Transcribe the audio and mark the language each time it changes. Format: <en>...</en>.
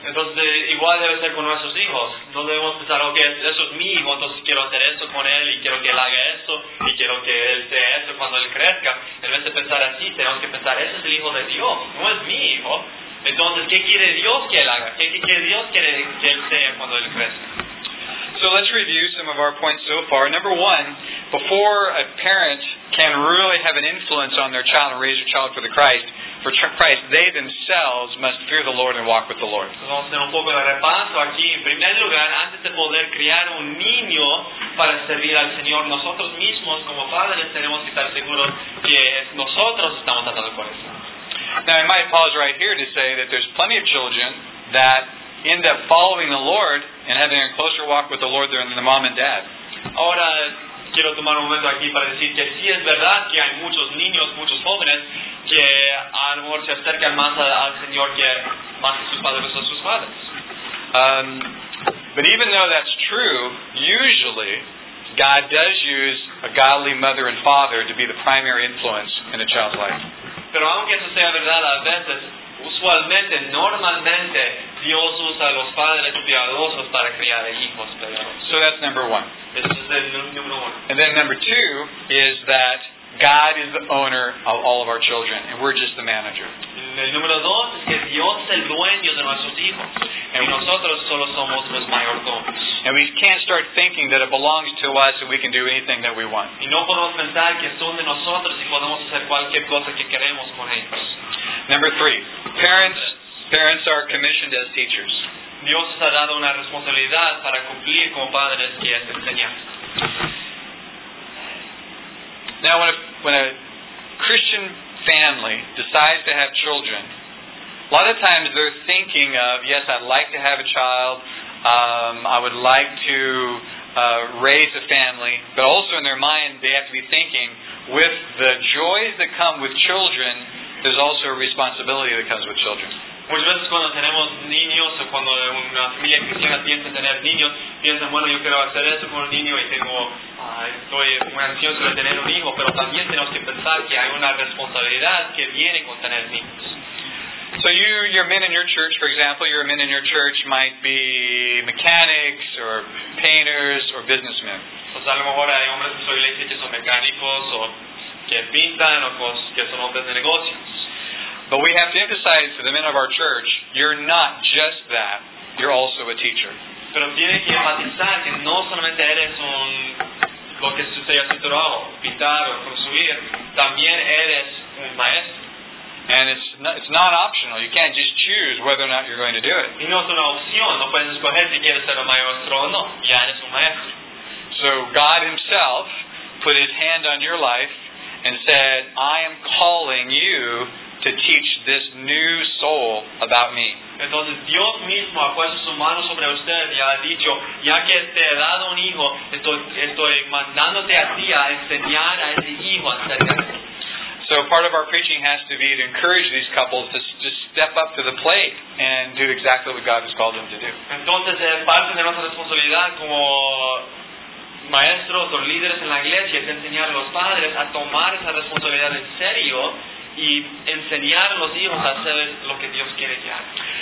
<es>Entonces, igual debe ser con nuestros hijos. No debemos pensar, ok, eso es mi hijo, entonces quiero hacer eso con él, y quiero que él haga eso, y quiero que él sea eso cuando él crezca. En vez de pensar así, tenemos que pensar, ese es el hijo de Dios, no es mi hijo. Entonces, ¿qué quiere Dios que él haga? ¿Qué Dios quiere que él sea cuando él crezca?</es> <en>So let's review some of our points so far. Number one, before a parent can really have an influence on their child and raise their child for the Christ, for Christ, they themselves must fear the Lord and walk with the Lord.</en> <es>Vamos a hacer un poco de repaso aquí. En primer lugar, antes de poder criar un niño para servir al Señor, nosotros mismos como padres tenemos que estar seguros que nosotros estamos tratando con eso.</es> <en>Now, I might pause right here to say that there's plenty of children that end up following the Lord and having a closer walk with the Lord than the mom and dad.</en> <es>Ahora, quiero tomar un momento aquí para decir que sí es verdad que hay muchos niños, muchos jóvenes que a lo mejor se acercan más al Señor que más a sus padres o a sus padres.</es> <en>But even though that's true, usually God does use a godly mother and father to be the primary influence in a child's life.</en> <es>Pero aunque eso sea verdad, a veces, usualmente, normalmente, Dios usa a los padres piadosos para criar hijos.</es> <en>So that's number one. This is the number one. And then number two is that God is the owner of all of our children, and we're just the manager.</en> <es>El número dos es que Dios es el dueño de nuestros hijos, y nosotros solo somos los mayordomos.</es> <en>And we can't start thinking that it belongs to us and we can do anything that we want.</en> <es>Y no podemos pensar que son de nosotros y podemos hacer cualquier cosa que queremos con ellos.</es> <en>Number three, parents are commissioned as teachers.</en> <es>Dios ha dado una responsabilidad para cumplir como padres que es enseñar.</es> <en>Now, when a Christian family decides to have children, a lot of times they're thinking of, yes, I'd like to have a child, I would like to raise a family, but also in their mind they have to be thinking, with the joys that come with children, there's also a responsibility that comes with children.</en> <es>Muchas veces cuando tenemos niños o cuando una familia cristiana piensa en tener niños, piensan, bueno, yo quiero hacer esto con un niño y estoy muy ansioso de tener un hijo, pero también tenemos que pensar que hay una responsabilidad que viene con tener niños.</es> <en>So your men in your church, for example, your men in your church might be mechanics or painters or businessmen.</en> <es>O sea, a lo mejor hay hombres en su iglesia que son mecánicos o que pintan o que son hombres de negocios.</es> <en>But we have to emphasize to the men of our church, you're not just that, you're also a teacher.</en> <es>Pero tiene que enfatizar que no solamente eres un, lo que sucede a tu trabajo, pintar o construir, también eres un maestro.</es> <en>And it's not optional, you can't just choose whether or not you're going to do it.</en> <es>Y no es una opción, no puedes escoger si quieres ser un maestro o no, ya eres un maestro.</es> <en>So God himself put his hand on your life and said, I am calling you to teach this new soul about me.</en> <es>Entonces Dios mismo ha puesto su mano sobre usted y ha dicho, ya que te he dado un hijo, estoy mandándote a ti a enseñar a ese hijo acerca de ti.</es> <en>So part of our preaching has to be to encourage these couples to just step up to the plate and do exactly what God has called them to do.</en> <es>Entonces es parte de nuestra responsabilidad como maestros o líderes en la iglesia es enseñar a los padres a tomar esa responsabilidad en serio y enseñar a los hijos a hacer lo que Dios quiere que hagan.</es>